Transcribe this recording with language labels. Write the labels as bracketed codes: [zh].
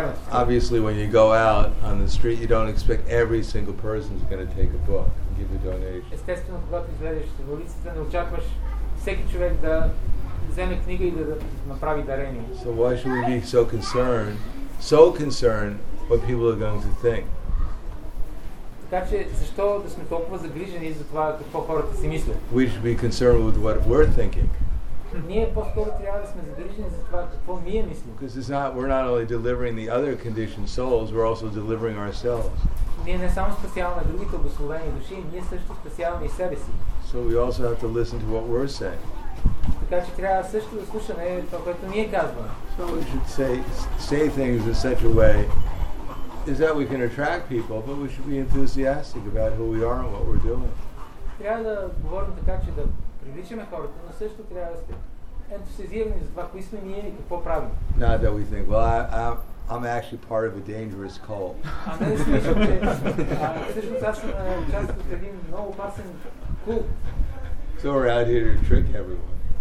[en] Obviously, when you go out on the street, you don't expect every single person is going to take a book and give a donation. [bg] Вземе книга и да направи дарение. [en] So why should we be so concerned what people are going to think? [bg] Така че защо да сме толкова загрижени за това какво хората си мислят? [en] We should be concerned with what we're thinking. [bg] Ние по-скоро трябва да сме загрижени за това какво ние мислим. [en] Because it's not, we're not only delivering the other conditioned souls, we're also delivering ourselves. [bg] Ние не само спасяваме другите благословени души, ние също спасяваме и себе си. [en] So we also have to listen to what we're saying. [bg] Така че трябва също да слушаме това, което ние казваме. [en] So we should say things in such a way is that we can attract people, but we should be enthusiastic about who we are and what we're doing. [bg] Трябва да говорим така, че да привличаме хората, но също трябва да сте ентусиазирани за това, кои сме ние и какво правим. [en] Not that we think, well, I'm actually part of a dangerous cult. [bg] А не да слушам, че всъщност аз съм част от един много опасен култ. [en] So we're out here to trick everyone.